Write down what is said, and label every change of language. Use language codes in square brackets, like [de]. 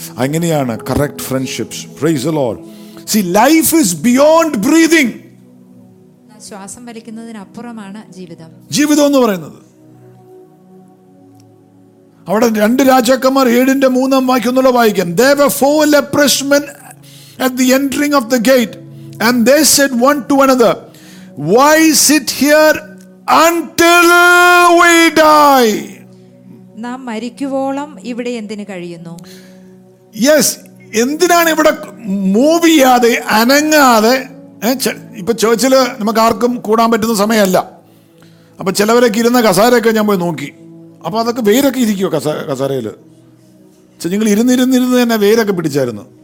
[ml] അങ്ങനെയാണ് correct friendships. [en] Praise the Lord. See, life is beyond breathing. [ml] ശ്വാസം വലിക്കുന്നതിനപ്പുറമാണ് ജീവിതം. ജീവിതം എന്ന് പറയുന്നത് അവിടെ രണ്ട് രാജാക്കന്മാർ 7:3 വാക്യമുള്ള വായിക്കാം. [en] There were 4 leprous men at the entering of the gate, and they said one to another, why sit here until we die? [ml] നാം മരിക്കുവോളം ഇവിടെ എന്തിനു കഴിയുന്നു? [en] Yes, [ml] എന്തിനാണ് ഇവിടെ മൂവ് ചെയ്യാതെ അനങ്ങാതെ? ഇപ്പൊ ചേർച്ചില് നമുക്ക് ആർക്കും കൂടാൻ പറ്റുന്ന സമയമല്ല. അപ്പൊ ചിലവരൊക്കെ ഇരുന്ന കസാരയൊക്കെ ഞാൻ പോയി നോക്കി. അപ്പൊ അതൊക്കെ വേരൊക്കെ ഇരിക്കുവോ കസാരയില്? നിങ്ങൾ ഇരുന്നിരുന്നിരുന്ന് തന്നെ വേരൊക്കെ പിടിച്ചായിരുന്നു.